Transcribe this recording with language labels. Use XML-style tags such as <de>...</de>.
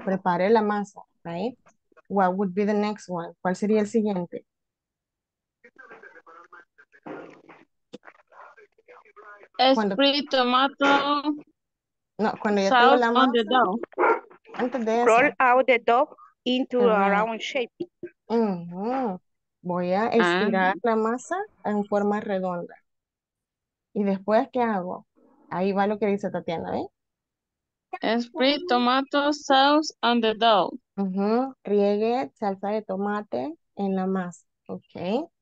<en>Prepare la masa, right? What would be the next one?</en> <es>¿Cuál sería el siguiente?</es> <en>Cuando, sprit, tomato,</en> <es>no, cuando ya tengo la masa, antes de eso,</es> <en>roll out the dough into a round shape.</en> <es>Voy a estirar la masa en forma redonda. ¿Y después qué hago? Ahí va lo que dice Tatiana, ¿eh?</es> <en>Sprit, tomato, sauce on the dough.</en> <es>Riegue salsa de tomate en la masa, ¿ok?</es>